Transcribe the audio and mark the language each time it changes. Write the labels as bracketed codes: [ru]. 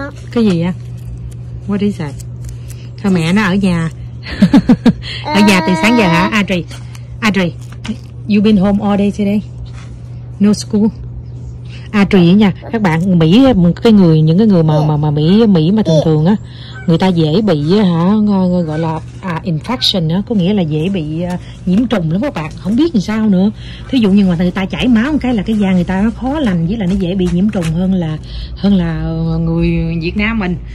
[vi] Cái gì á? [en] What is that? [vi] Thôi mẹ nó ở nhà. Ở nhà từ sáng giờ hả Audrey? [en] Audrey, you been home all day today? No school. [vi] Audrey ấy nha, các bạn Mỹ, cái người những cái người mà Mỹ mà thường thường á, người ta dễ bị hả gọi là infection á, có nghĩa là dễ bị nhiễm trùng lắm các bạn, không biết làm sao nữa. Thí dụ như mà người ta chảy máu một cái là cái da người ta nó khó lành, với là nó dễ bị nhiễm trùng hơn là người Việt Nam mình.